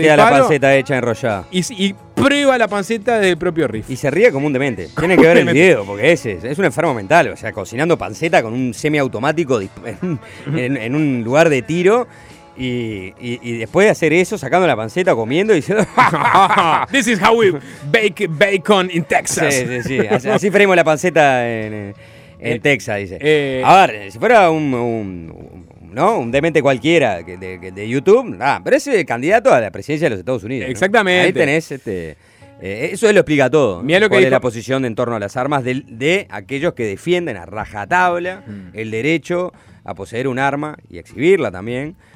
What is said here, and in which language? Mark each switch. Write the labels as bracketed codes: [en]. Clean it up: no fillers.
[es] queda disparo, la panceta hecha enrollada. Y prueba la panceta del propio rifle. Y se ríe como un demente. Tiene que ver el video, porque es un enfermo mental. O sea, cocinando panceta con un semiautomático en un lugar de tiro. Y después de hacer eso, sacando la panceta, comiendo y diciendo... [en] This is how we bake bacon in Texas. [es] Sí. Así freímos la panceta en Texas, dice. A ver, si fuera un demente cualquiera de YouTube, pero es el candidato a la presidencia de los Estados Unidos. Exactamente. ¿No? Ahí tenés eso lo explica todo. Mirá lo cuál que es la posición en torno a las armas de aquellos que defienden a rajatabla el derecho a poseer un arma y exhibirla también.